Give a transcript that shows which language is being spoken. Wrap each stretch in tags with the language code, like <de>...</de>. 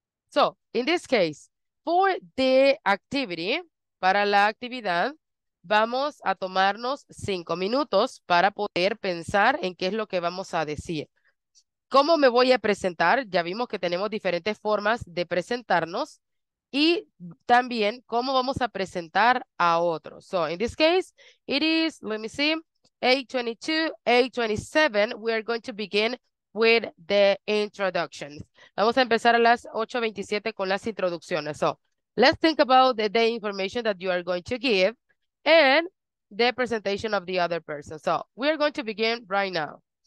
<en>So, in this case, for the activity,</en> <es>para la actividad, vamos a tomarnos 5 minutos para poder pensar en qué es lo que vamos a decir. ¿Cómo me voy a presentar? Ya vimos que tenemos diferentes formas de presentarnos. Y también, ¿cómo vamos a presentar a otros?</es> <en>So, in this case, it is, let me see, 8:22, 8:27, we are going to begin with the introductions.</en> <es>Vamos a empezar a las 8:27 con las introducciones.</es> <en>So, let's think about the information that you are going to give and the presentation of the other person. So we are going to begin right now.</en>